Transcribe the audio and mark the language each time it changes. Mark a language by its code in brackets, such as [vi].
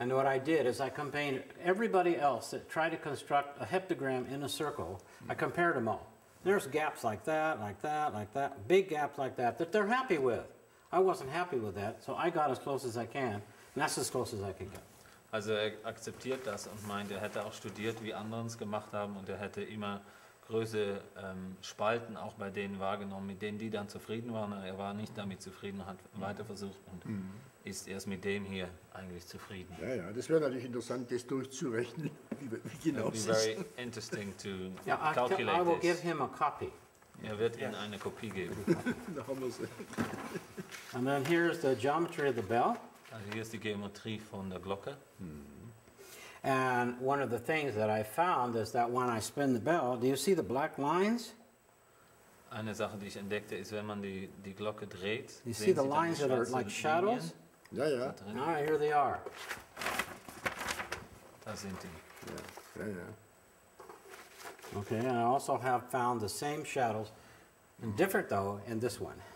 [en] And what I did is I compared everybody else that tried to construct a heptagram in a circle, I compared them all. There's gaps like that, like that, like that, big gaps like that, that they're happy with. I wasn't happy with that, so I got as close as I can, and that's as close as I can get. [de] Also akzeptiert das und meint, hätte auch studiert, wie anderen es gemacht haben, und hätte immer größe Spalten auch bei denen wahrgenommen, mit denen die dann zufrieden waren. Er war nicht damit zufrieden, hat weiter versucht und ist erst mit dem hier eigentlich zufrieden. Ja, ja, das wäre natürlich interessant, das durchzurechnen, wie genau es ist. [en] Very interesting to calculate this. I will give him a copy. [de] Er wird ihnen eine Kopie geben. Da haben wir sie. [en] And then here is the geometry of the bell. [de] Also hier ist die Geometrie von der Glocke. [en] And one of the things that I found is that when I spin the bell, do you see the black lines? [de] Eine Sache, die ich entdeckte, ist, wenn man die Glocke dreht, [en] you see the lines that are like shadows? Yeah, yeah. All right, here they are. [de] Da sind die. [en] Yeah, yeah, yeah. Okay, and I also have found the same shadows, and different though, in this one.